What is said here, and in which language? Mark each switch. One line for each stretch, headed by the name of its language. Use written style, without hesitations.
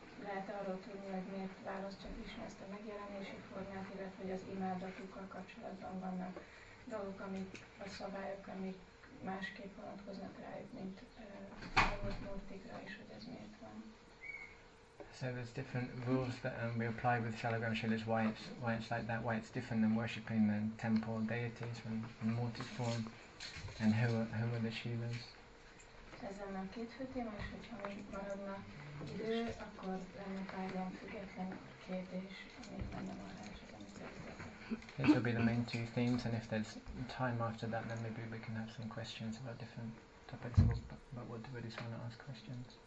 Hungarian: Lehet arról tudni, hogy miért választja Krisna ezt a megjelenési formát, illetve hogy az imádatukkal kapcsolatban vannak dolgok, amik a szabályok, amik másképp vonatkoznak rájuk, mint Bhagavata Murtikra, és hogy ez miért van.
English: So there's different rules that we apply with Salagram Shilas, why it's like that, why it's different than worshipping the temple deities from the Murti form, and who are the Shilas.
Hungarian: Ezen a két fő téma, és hogyha még maradna idő, akkor lenne pár ilyen független kérdés, amit lenne marás, amit ezeket.
English: These will be the main two themes, and if there's time after that, then maybe we can have some questions about different topics, about what devotees want to ask questions.